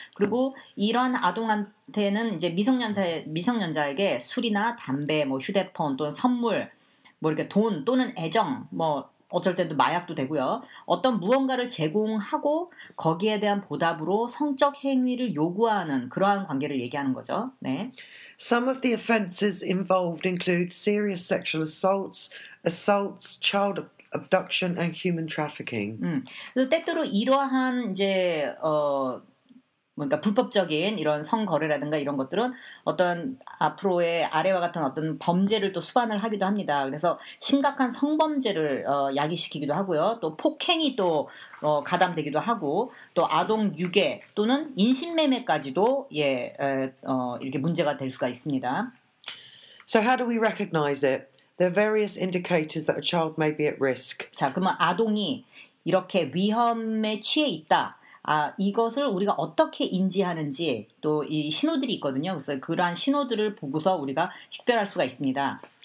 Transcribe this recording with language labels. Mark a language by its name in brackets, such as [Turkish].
[Korean] 그리고 이런 아동한테는 이제 미성년자에게 술이나 담배, 뭐 휴대폰 또는 선물, 뭐 이렇게 돈 또는 애정, 뭐 어쩔 때도 마약도 되고요. 어떤 무언가를 제공하고 거기에 대한 보답으로 성적 행위를 요구하는 그러한 관계를 얘기하는 거죠. 네. [English] Some of the offenses involved include serious sexual assaults, assaults, child abduction and human trafficking. [Korean] 그래서 때때로 이러한 이제 그러니까 불법적인 이런 성거래라든가 이런 것들은 어떤 앞으로의 아래와 같은 어떤 범죄를 또 수반을 하기도 합니다. 그래서 심각한 성범죄를 야기시키기도 하고요. 또 폭행이 또 가담되기도 하고 또 아동 유괴 또는 인신매매까지도 이렇게 문제가 될 수가 있습니다. [English] So how do we recognize it? There are various indicators that a child may be at risk. [Korean] 자, 그러면 아동이 이렇게 위험에 취해 있다. 아, 이것을 우리가 어떻게 인지하는지 또 이 신호들이 있거든요. 그래서 그러한 신호들을 보고서 우리가 식별할 수가 있습니다.